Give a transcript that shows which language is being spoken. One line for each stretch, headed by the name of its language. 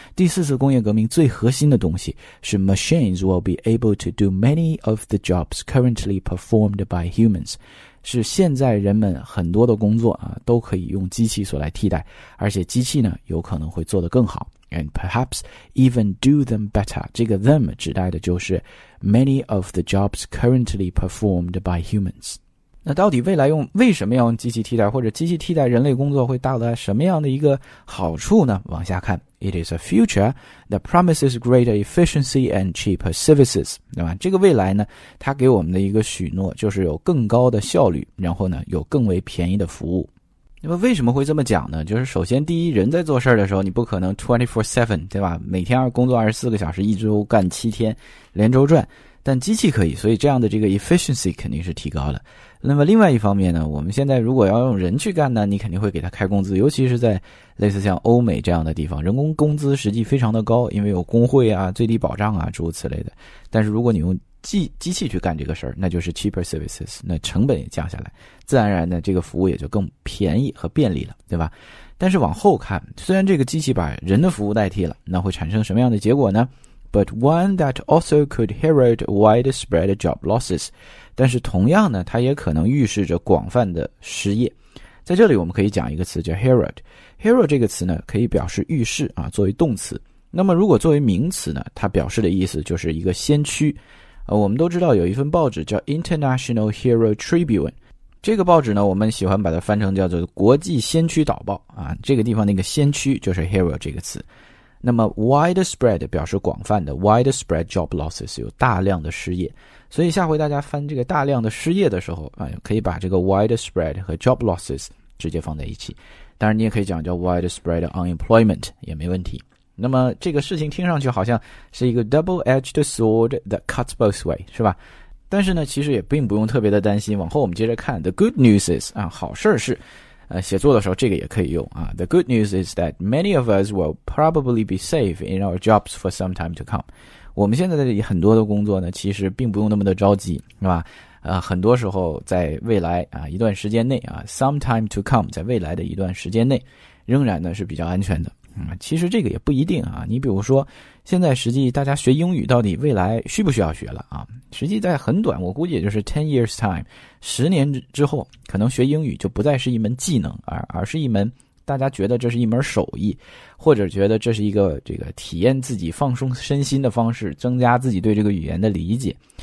Chinese: 第四次工业革命最核心的东西是
English: machines will be able to do many of the jobs currently performed by humans，
Chinese: 是现在人们很多的工作啊都可以用机器所来替代，而且机器呢有可能会做得更好。
English: And perhaps even do them better.
Chinese: 这个
English: them
Chinese: 指代的就是
English: many of the jobs currently performed by humans.
Chinese: 那到底未来用为什么要用机器替代，或者机器替代人类工作会带来什么样的一个好处呢？往下看。
English: It is a future that promises greater efficiency and cheaper services.
Chinese: 对吧，这个未来呢，它给我们的一个许诺就是有更高的效率，然后呢有更为便宜的服务。那么为什么会这么讲呢？就是首先第一，人在做事的时候你不可能 24/7, 对吧，每天工作24个小时，一周干7天连轴转，但机器可以，所以这样的这个 efficiency 肯定是提高了。那么另外一方面呢，我们现在如果要用人去干呢，你肯定会给他开工资，尤其是在类似像欧美这样的地方，人工工资实际非常的高，因为有工会啊、最低保障啊诸如此类的。但是如果你用机器去干这个事儿，那就是
English: cheaper services，
Chinese: 那成本也降下来，自然而然呢，这个服务也就更便宜和便利了，对吧？但是往后看，虽然这个机器把人的服务代替了，那会产生什么样的结果呢？
English: But one that also could herald widespread job losses.
Chinese: 但是同样呢，它也可能预示着广泛的失业。在这里我们可以讲一个词叫 herald。herald 这个词呢可以表示预示啊，作为动词。那么如果作为名词呢，它表示的意思就是一个先驱。我们都知道有一份报纸叫 International Herald Tribune。这个报纸呢，我们喜欢把它翻成叫做国际先驱导报啊，这个地方那个先驱就是 herald 这个词。那么 widespread 表示广泛的
English: widespread job losses
Chinese: 有大量的失业，所以下回大家翻这个大量的失业的时候、可以把这个 widespread 和 job losses 直接放在一起，当然你也可以讲叫
English: widespread unemployment
Chinese: 也没问题。那么这个事情听上去好像是一个
English: double-edged sword that cuts both way
Chinese: 是吧，但是呢其实也并不用特别的担心，往后我们接着看
English: the good news is、
Chinese: 好事是写作的时候这个也可以用啊。
English: The good news is that many of us will probably be safe in our jobs for some time to come.
Chinese: 我们现在的很多的工作呢其实并不用那么的着急，是吧？很多时候在未来啊一段时间内啊 ,
English: some time to come,
Chinese: 在未来的一段时间内仍然呢是比较安全的。其实这个也不一定啊，你比如说现在实际大家学英语到底未来需不需要学了啊，实际在很短，我估计也就是
English: 10 years time,
Chinese: 十年之后可能学英语就不再是一门技能，而是一门大家觉得这是一门手艺，或者觉得这是一个这个体验自己放松身心的方式，增加自己对这个语言的理解。